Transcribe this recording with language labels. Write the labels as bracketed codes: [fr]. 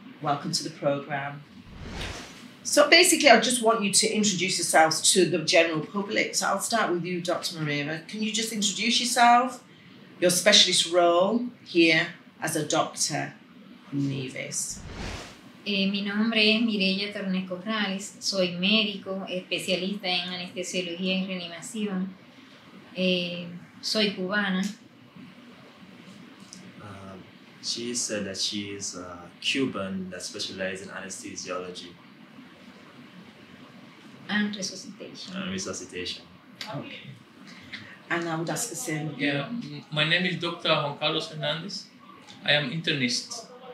[en] Welcome to the program. So basically, I just want you to introduce yourselves to the general public. So I'll start with you, Dr. Maria. Can you just introduce yourself, your specialist role here as a doctor in Nevis? [es] Mi nombre es Mireya Tornes Corrales, soy médico, especialista en anestesiología y reanimación. Soy cubana. [en] She said that she is a Cuban that specializes in anesthesiology. And resuscitation. And resuscitation. Okay. And I would ask the same. Yeah, my name is Dr. Juan Carlos Hernandez. I am internist.